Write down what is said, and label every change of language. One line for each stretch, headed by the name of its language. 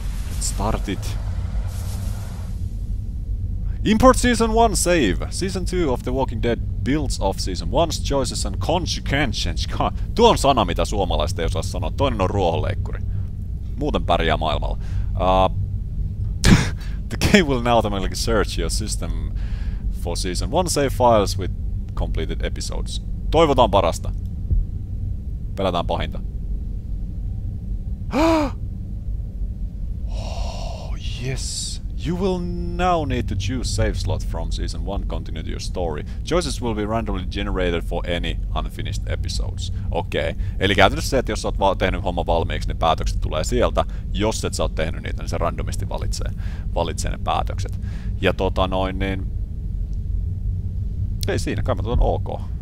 English: Let's start it. Import season 1 save. Season 2 of The Walking Dead builds off season 1's choices and consequences.
Finnish: Tuo on sana, mitä suomalaiset ei osaa sanoa. Toinen on ruohonleikkuri. Muuten pärjää maailmalla.
English: The game will now automatically search your system for season 1 save files with completed episodes.
Finnish: Toivotaan parasta. Pelätään pahinta.
English: Oh, yes. You will now need to choose save slot from season 1 continuity your story. Choices will be randomly generated for any unfinished episodes. Okei. Okay.
Finnish: Eli käytännössä se, että jos sä oot tehnyt homma valmiiksi, niin päätökset tulee sieltä. Jos et sä oot tehnyt niitä, niin se randomisti valitsee ne päätökset. Ja niin ei siinä, kai mä tuon OK.